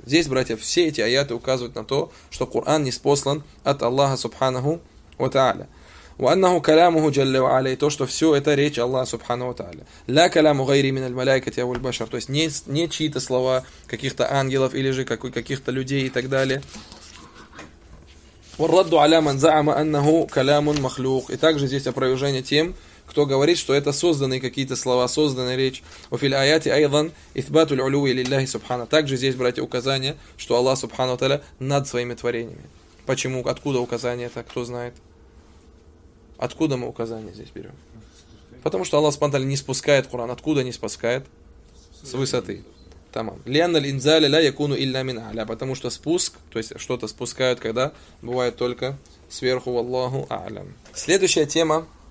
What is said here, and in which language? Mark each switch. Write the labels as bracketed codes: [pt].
[ru] Здесь, братья, все эти аяты указывают на то, что Куран ниспослан от Аллаха субханаху ва тааля. [ar] Ва аннаху каламуху джалла ва аля, [ru] и то, что все это речь Аллаха субханаху ва тааля. [ar] Ла каламу гайри мин аль-малайкати ва аль-башар. [ru] То есть не чьи-то слова каких-то ангелов или же каких-то людей и так далее. [ar] والرد على من زعم أنه كلام مخلوق. [ru] И также здесь опровержение тем, кто говорит, что это созданные какие-то слова, созданная речь. [ar] وفي الآيات أيضا إثبات العلو لله سبحانه. [ru] Также здесь, братья, указание, что Аллах Субхана ва Тааля над своими творениями. Почему? Откуда указание это? Кто знает? Откуда мы указание здесь берем? Потому что Аллах Субхана ва Тааля не спускает Куран. Откуда не спускает? С высоты. Тамам. [ar] Лианна линзали ля якуну илля мин а'ля. [ru] Потому что спуск, то есть что-то спускают, когда бывает только сверху, валлаху а'лям. Следующая тема.